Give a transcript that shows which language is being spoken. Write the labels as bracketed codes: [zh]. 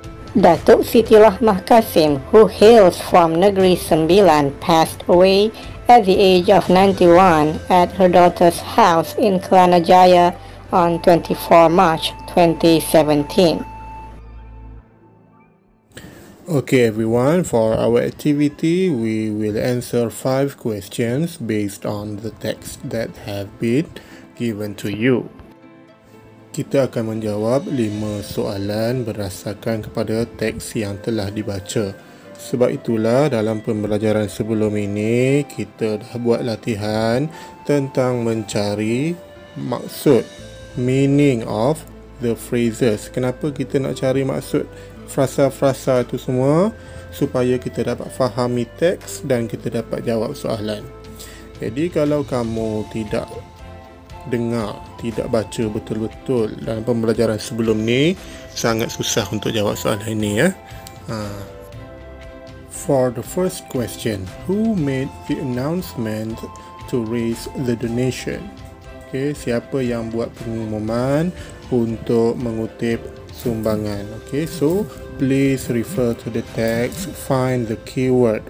[en] Datuk Siti Rahmah Kassim, who hails from Negeri Sembilan, passed away at the age of 91 at her daughter's house in Kelana Jaya on 24 March 2017. Okay everyone, for our activity, we will answer 5 questions based on the text that have been given to you. [ms] Kita akan menjawab 5 soalan berdasarkan kepada teks yang telah dibaca. Sebab itulah dalam pembelajaran sebelum ini, kita dah buat latihan tentang mencari maksud, [en] meaning of the phrases. [ms] Kenapa kita nak cari maksud frasa-frasa itu semua? Supaya kita dapat fahami teks dan kita dapat jawab soalan. Jadi kalau kamu tidak dengar, tidak baca betul-betul dalam pembelajaran sebelum ni, sangat susah untuk jawab soalan ini ya. [en] For the first question, who made the announcement to raise the donation? [ms] Okay, siapa yang buat pengumuman untuk mengutip sumbangan? [en] Okay, so please refer to the text, find the keyword.